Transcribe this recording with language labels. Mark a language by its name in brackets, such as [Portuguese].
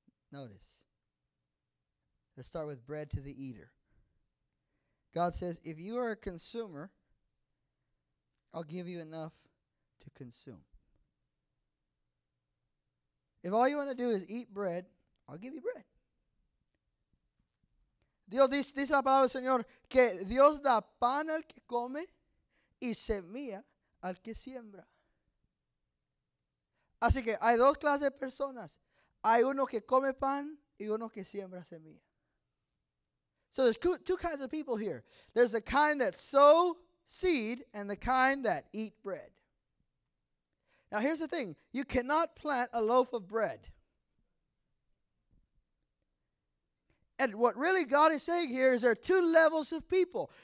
[English] Notice. Let's start with bread to the eater. God says, if you are a consumer, I'll give you enough to consume. If all you want to do is eat bread, I'll give you bread. [Spanish] Dios dice la palabra del Señor, que Dios da pan al que come y semilla al que siembra. Así que hay dos clases de personas. Hay uno que come pan y uno que siembra semilla. [English] So there's two kinds of people here. There's the kind that sow seed and the kind that eat bread. Now here's the thing. You cannot plant a loaf of bread. And what really God is saying here is there are two levels of people.